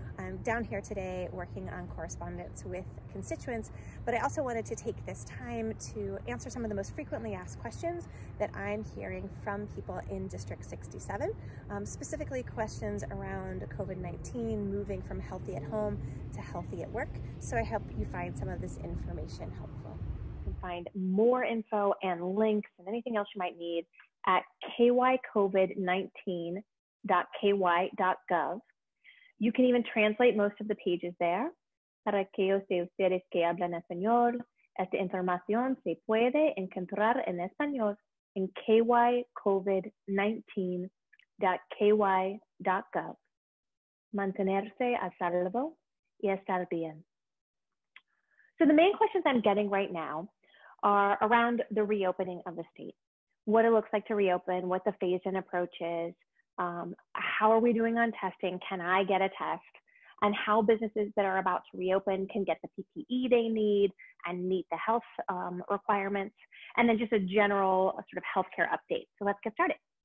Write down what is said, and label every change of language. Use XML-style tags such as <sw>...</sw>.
<en>I'm down here today working on correspondence with constituents, but I also wanted to take this time to answer some of the most frequently asked questions that I'm hearing from people in District 67, specifically questions around COVID-19, moving from healthy at home to healthy at work. So I hope you find some of this information helpful. You can find more info and links and anything else you might need at kycovid19.ky.gov. You can even translate most of the pages there.</en> <es>Para aquellos de ustedes que hablan español, esta información se puede encontrar en español en kycovid19.ky.gov. Mantenerse a salvo y estar bien.</es> <en>So the main questions I'm getting right now are around the reopening of the state. What it looks like to reopen, what the phased-in approach is, how are we doing on testing, can I get a test, and how businesses that are about to reopen can get the PPE they need and meet the health requirements, and then just a general sort of healthcare update. So let's get started.</en>